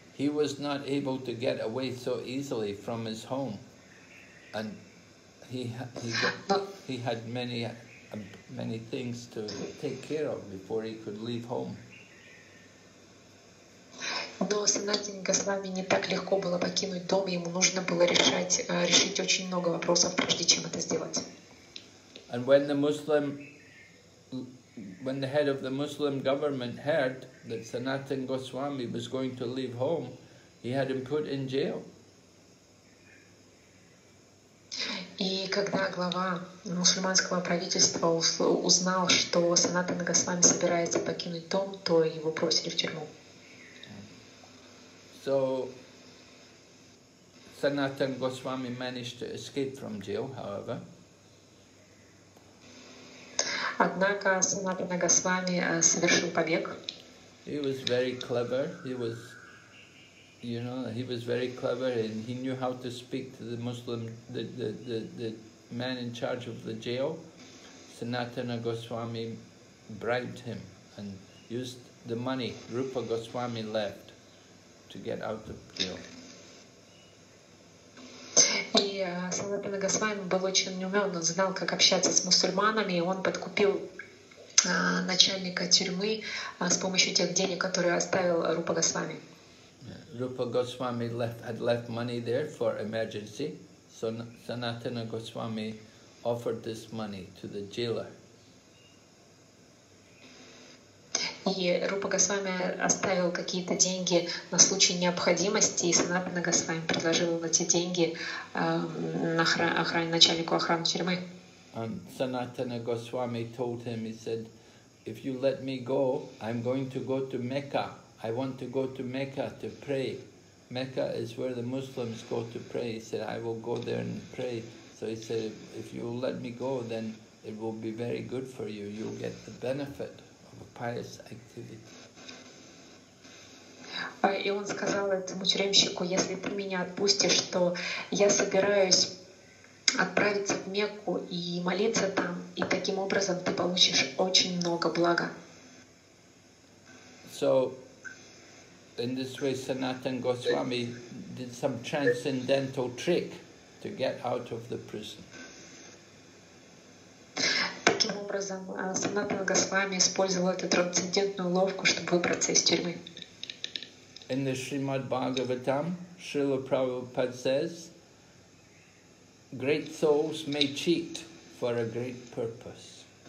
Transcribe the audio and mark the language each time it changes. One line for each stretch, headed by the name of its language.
English: He was not able to get away so easily from his home, and he had many things to take care of before he could leave home.
Russian: Но Санатине Госвами не так легко было покинуть дом, ему нужно было решить очень много вопросов, прежде чем это сделать.
English: And when the Muslim, when the head of the Muslim government heard that Sanatan Goswami was going to leave home, he had him put in jail.
Russian: И когда глава мусульманского правительства узнал, что Санатан Госвами собирается покинуть дом, то его бросили в тюрьму.
English: So Sanatan Goswami managed to escape from jail, however.
Russian: Однако Санатана Госвами совершил побег.
English: He was very clever. He was, you know, he was very clever, and he knew how to speak to the Muslim, the man in charge of the jail. Sanatana Goswami bribed him and used the money Rupa Goswami left to get out of jail.
Russian: И Санатана Госвами был очень умен, он знал, как общаться с мусульманами, и он подкупил начальника тюрьмы с помощью тех денег, которые оставил Рупа Госвами.
English: Рупа Госвами had left money there for emergency, so Санатана Госвами offered this money to the jailer.
Russian: И Рупа Госвами оставил какие-то деньги на случай необходимости, и Санатана Госвами предложил ему эти деньги начальнику охраны тюрьмы.
English: And Sanatana Goswami told him, he said, if you let me go, I'm going to go to Mecca. I want to go to Mecca to pray. Mecca is where the Muslims go to pray. He said, I will go there and pray. So he said, if you let me go, then it will be very good for you. You'll get the benefit of a pious activity.
Russian: И он сказал этому тюремщику, если ты меня отпустишь, то я собираюсь отправиться в Мекку и молиться там, и таким образом ты получишь очень много блага.
English: So, in this way, Sanatan Goswami did some transcendental trick to get out of the prison.
Russian: Таким образом, Санатан Госвами использовал эту трансцендентную ловку, чтобы выбраться из тюрьмы.
English: In the Srimad Bhagavatam, Srila Prabhupada says, great souls may cheat for a great purpose.